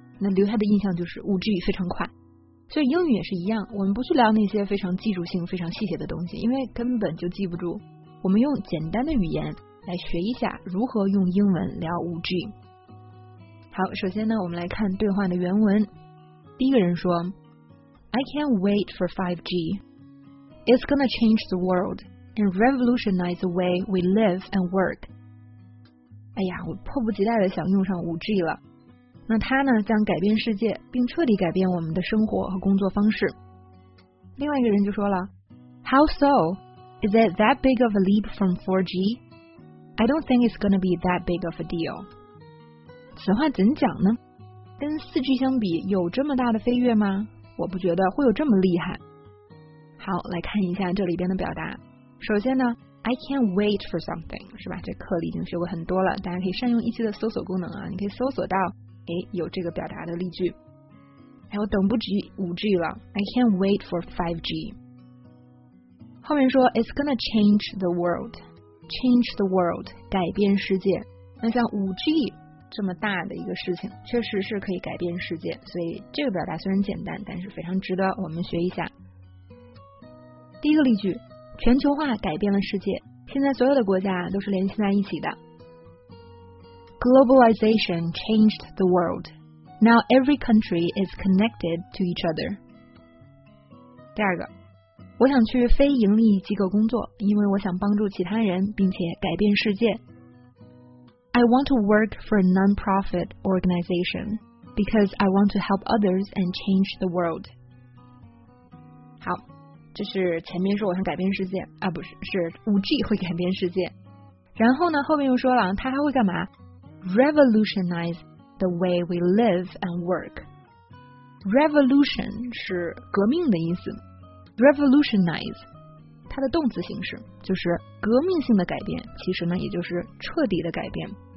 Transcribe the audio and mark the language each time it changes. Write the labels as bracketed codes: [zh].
[zh] 那留下的印象就是 5G 非常快。所以英语也是一样，我们不去聊那些非常技术性非常细节的东西，因为根本就记不住。我们用简单的语言来学一下如何用英文聊 5G。好，首先呢，我们来看对话的原文。第一个人说， [en] I can't wait for 5G. It's gonna change the world and revolutionize the way we live and work. [zh] 哎呀，我迫不及待的想用上 5G 了。那它呢，将改变世界，并彻底改变我们的生活和工作方式。另外一个人就说了， [en] How so? Is it that big of a leap from 4G? I don't think it's gonna be that big of a deal. [zh] 此话怎讲呢？跟 4G 相比，有这么大的飞跃吗？我不觉得会有这么厉害。好，来看一下这里边的表达。首先呢， [en] I can't wait for something， [zh] 是吧？这课里已经学过很多了，大家可以善用一期的搜索功能啊，你可以搜索到，哎，有这个表达的例句。哎，我等不及 5G 了， [en] I can't wait for 5G。 [zh] 后面说 [en] It's gonna change the world， change the world， [zh] 改变世界。那像 5G这么大的一个事情，确实是可以改变世界，所以这个表达虽然简单，但是非常值得我们学一下。第一个例句，全球化改变了世界，现在所有的国家都是联系在一起的。 [en] Globalization changed the world. Now every country is connected to each other. [zh] 第二个，我想去非盈利机构工作，因为我想帮助其他人，并且改变世界。 [en] I want to work for a non-profit organization because I want to help others and change the world. [zh] 好，这是前面说我想改变世界啊，不是，是 5G 会改变世界。然后呢，后面又说了他还会干嘛？ [en] Revolutionize the way we live and work. [zh] Revolution 是革命的意思， Revolutionize 它的动词形式就是革命性的改变，其实呢也就是彻底的改变。